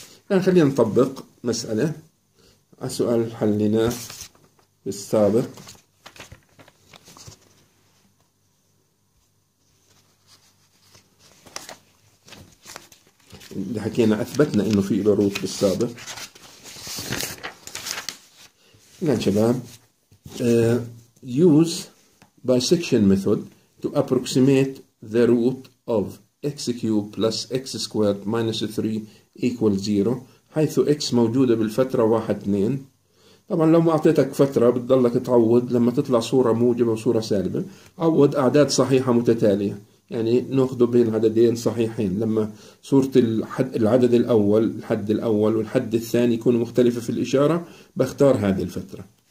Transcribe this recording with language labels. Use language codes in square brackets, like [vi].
[ar] الآن خلينا نطبق مسألة على سؤال حلنا بالسابق. اللي حكينا أثبتنا إنه في بروت بالسابق. الآن شباب [en] use bisection method to approximate the root of x cubed plus x squared minus 3 equals 0 [ar] حيث x موجودة بالفترة 1-2. طبعا لو ما أعطيتك فترة بتضلك تعوض لما تطلع صورة موجبة وصورة سالبة، عوض أعداد صحيحة متتالية، يعني نأخذ بين عددين صحيحين لما صورة العدد الأول الحد الأول والحد الثاني يكونوا مختلفة في الإشارة بختار هذه الفترة.